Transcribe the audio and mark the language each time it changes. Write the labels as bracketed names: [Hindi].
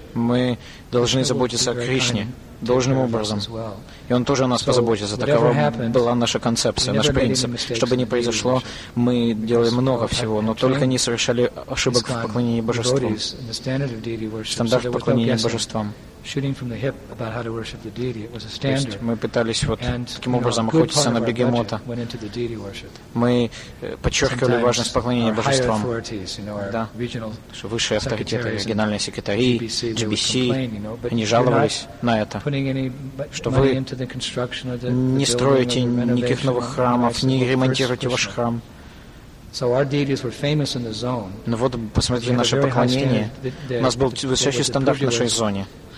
[Russian] Мы должны заботиться о Кришне должным образом. И Он тоже о нас позаботится. Такова была наша концепция, наш принцип. Что бы ни произошло, мы делали много всего, но только не совершали ошибок в поклонении божествам. Стандарт поклонения божествам. [English] shooting from the hip about how to worship the deity. It was a standard. [Russian] Мы пытались вот таким образом охотиться на бегемота. [English] Went into the deity worship. [Russian] Мы подчеркивали важность поклонения божествам. Да. Что высшие авторитеты, региональные секретари, GBC, они жаловались на это. Что вы не строите никаких новых храмов, не ремонтируете ваш храм. [English] So our deities were famous in the zone. [Russian] Но вот посмотрите наше поклонение. У нас был высочайший стандарт в нашей зоне.